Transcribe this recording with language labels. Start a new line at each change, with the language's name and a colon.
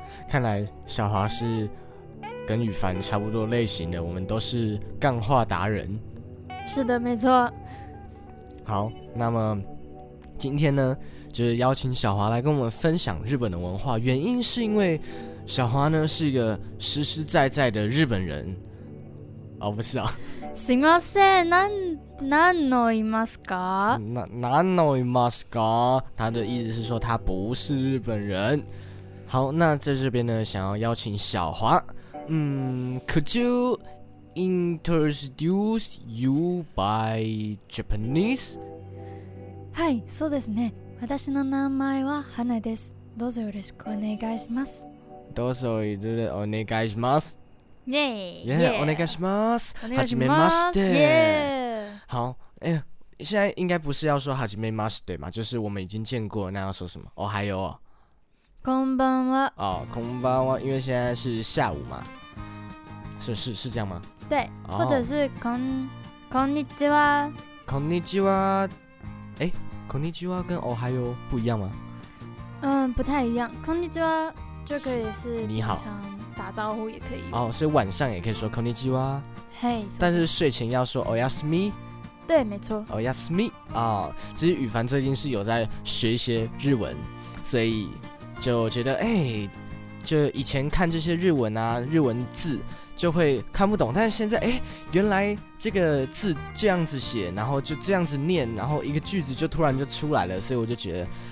Chinese: 看来小华是跟羽凡差不多类型的，我们都是干话达人。是的，没错。好，那么今天呢，就是邀请小华来跟我们分享日本的文化，原因是因为小华呢是一个实实在在的日本人。哦，不是啊。
Japanese: すみません、なんのいますか？なんのいますか？
Chinese: 他的意思是说他不是日本人。好，那在这边呢，想要邀请小华，
English: could you introduce you by Japanese？
Japanese: はい、そうですね。私の名前は花です。どうぞよろしくお願いします。どうぞよろしくお願いします。耶、
English: yeah, yeah, ！
Japanese: お願いします。はじめまして。
English: Yeah.
Chinese: 好，现在应该不是要说はじめまして嘛，就是我们已经见过，那要说什么？哦，还有哦。
Japanese: こんばんは。
Chinese: 哦，こんばんは，因为现在是下午嘛，是这样吗？对，或者是こんにちは。
Japanese: こんにちは。
Chinese: こんにちは跟おはよう不一样吗？不太一样。こんにちは就可以是你好。打招呼也可以哦，所以晚上也可以说 konnichiwa。嘿，但是睡前要说 oyasumi。对，没错，
Japanese: oyasumi。
Chinese: 哦，其实羽凡最近是有在学一些日文，所以就觉得就以前看这些日文啊，日文字就会看不懂，但是现在原来这个字这样子写，然后就这样子念，然后一个句子就突然就出来了，所以我就觉得